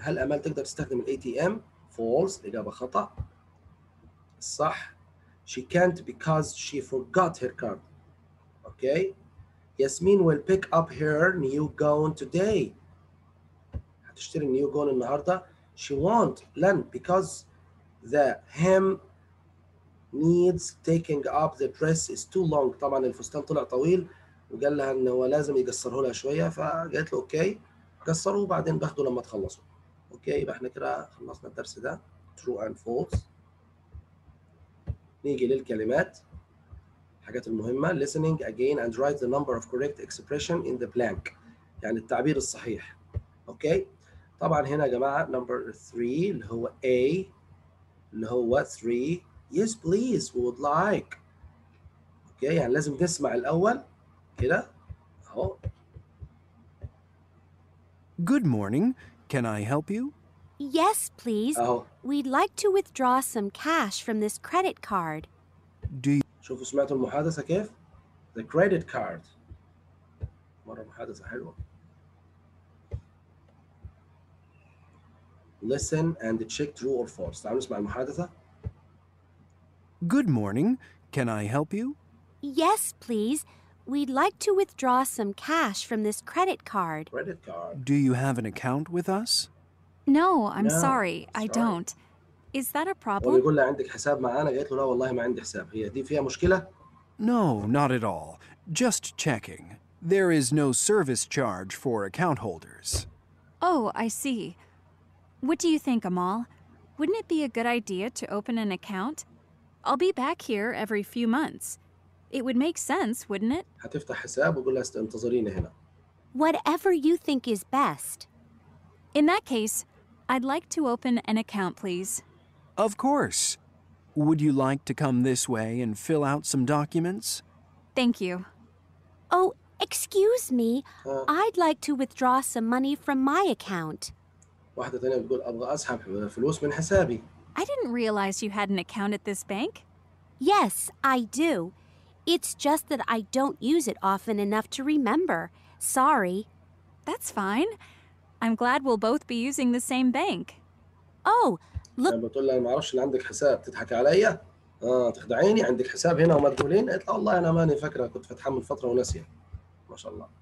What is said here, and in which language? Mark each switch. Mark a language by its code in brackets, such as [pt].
[ar] هل أمال تقدر تستخدم الATM? False. إجابة خطأ. صح. [en] She can't because she forgot her card. Okay. Yasmin will pick up her new gown today. [ar] هتشتري النيو جون النهاردة. [en] She won't. [ar] لن. [en] Because the hem needs taking up the dress is too long. [ar] طبعا الفستان طلع طويل وقال لها انه لازم يقصره لها شوية. فقالت له اوكي. قصروا وبعدين باخدوا لما تخلصوا. اوكي. يبقى احنا كده خلصنا الدرس ده. [en] True and false. [ar] نيجي للكلمات. الحاجات المهمة. [en] Listening again and write the number of correct expression in the blank. [ar] يعني التعبير الصحيح. اوكي. طبعا هنا يا جماعة [en] number three [ar] اللي هو A. اللي هو [en] three. Yes, please. We would like. Okay. [ar] يعني لازم نسمع الأول كده. أهو. [en] Good morning. Can I help you? Yes, please. [ar] أهو. [en] We'd like to withdraw some cash from this credit card. Do you... [ar] شوفوا سمعتوا المحادثة كيف؟ [en] The credit card. [ar] مرة محادثة حلوة. [en] Listen and check true or false. [ar] تعالوا نسمع المحادثة. [en] Good morning. Can I help you? Yes, please. We'd like to withdraw some cash from this credit card. Credit card. Do you have an account with us? No, I'm no, sorry. I don't. Is that a problem? [ar] هو يقول لي عندك حساب معانا؟ قلت له لا والله ما عندي حساب. هي دي فيها مشكلة؟ [en] No, not at all. Just checking. There is no service charge for account holders. Oh, I see. What do you think, Amal? Wouldn't it be a good idea to open an account? I'll be back here every few months. It would make sense, wouldn't it? [ar] هتفتح حساب وقول لها استنتظريني هنا. [en] Whatever you think is best. In that case, I'd like to open an account, please. Of course. Would you like to come this way and fill out some documents? Thank you. Oh, excuse me. I'd like to withdraw some money from my account. [ar] واحدة تانية بتقول أبغى أسحب فلوس من حسابي. [en] I didn't realize you had an account at this bank. Yes, I do. It's just that I don't use it often enough to remember. Sorry. That's fine. I'm glad we'll both be using the same bank. Oh, look. [ar] لما تقول لي ما اعرفش ان عندك حساب تضحكي عليا؟ تخدعيني عندك حساب هنا وما تقولين؟ اطلع والله انا ماني فاكره كنت فاتحه من فتره وناسيه. ما شاء الله.